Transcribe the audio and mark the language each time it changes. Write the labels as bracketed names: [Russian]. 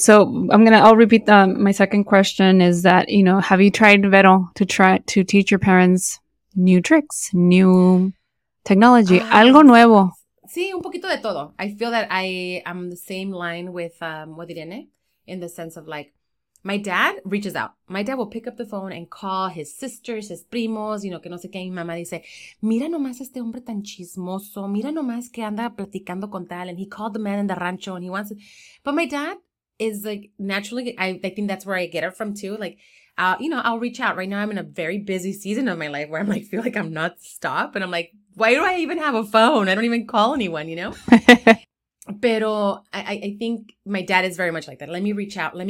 [English] So I'll repeat my second question is that, you know, have you tried Vero to try to teach your parents new tricks, new technology, [Spanish] algo nuevo? Sí, un poquito de todo. [English] I feel that I am the same line with Irene in the sense of like, my dad reaches out. My dad will pick up the phone and call his sisters, his primos, you know, [Spanish] que no sé qué. Mi mamá dice, mira nomás este hombre tan chismoso. Mira nomás que anda platicando con tal. [English] And he called the man in the rancho and he wants it. But my dad is like naturally, I think that's where I get it from too. Like, you know, I'll reach out. Right now I'm in a very busy season of my life where I'm like, feel like I'm not stopped. And I'm like, why do I even have a phone? I don't even call anyone, you know? Pero I think my dad is very much like that. Let me reach out.